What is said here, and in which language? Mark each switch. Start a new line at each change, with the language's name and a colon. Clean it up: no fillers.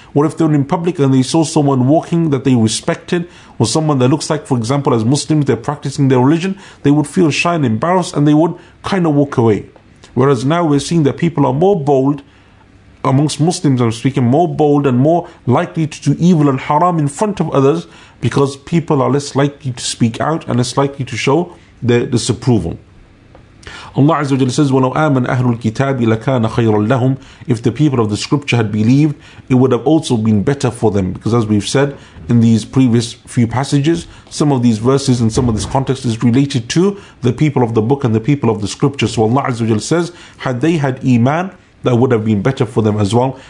English: What if they're in public and they saw someone walking that they respected, or someone that looks like, for example, as Muslims, they're practicing their religion, they would feel shy and embarrassed and they would kind of walk away. Whereas now we're seeing that people are more bold, amongst Muslims I'm speaking, more bold and more likely to do evil and haram in front of others because people are less likely to speak out and less likely to show their disapproval. Allah Azza wa Jalla says,
Arabic: وَلَوْ آمَنْ أَهْلُ الْكِتَابِ لَكَانَ خَيْرًا لَهُمْ.
English: If the people of the scripture had believed, it would have also been better for them. Because as we've said in these previous few passages, some of these verses and some of this context is related to the people of the book and the people of the scripture. So Allah Azza wa Jalla says, had they had Iman, that would have been better for them as well.